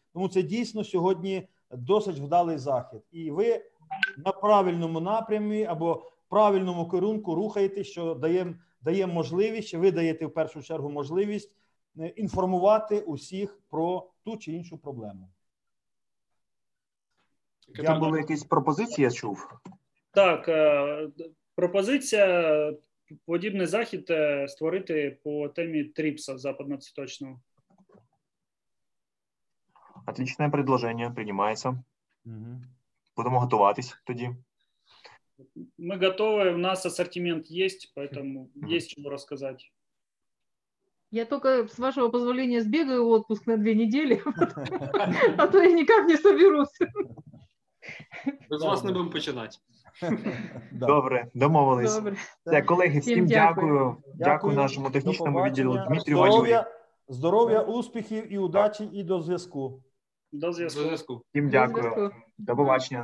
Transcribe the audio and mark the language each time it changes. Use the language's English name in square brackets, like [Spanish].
[Ukrainian] Тому це дійсно сьогодні досить вдалий захід. І ви на правильному напрямі або правильному керунку рухаєтесь, що дає можливість, що ви даєте в першу чергу можливість інформувати усіх про ту чи іншу проблему. Там були якісь пропозиції, я чув? Так, пропозиція, подібний захід створити по темі ТРІПСа западноцвіточного. [Russian] Отличное предложение, принимается. Угу. Будем готовиться тогда. Мы готовы, у нас ассортимент есть, поэтому есть чему рассказать. Я только, с вашего позволения, сбегаю в отпуск на 2 недели, а то я никак не соберусь. Без вас не будем починать. [Ukrainian] Добре, домовились. Так, [Russian] коллеги, всем [Ukrainian] дякую. Дякую [Russian] нашему техническому [Ukrainian] відділу Дмитрию Валюю. Здоров'я, успіхів і удачі, і до зв'язку. До зв'язку. Всім дякую. До побачення.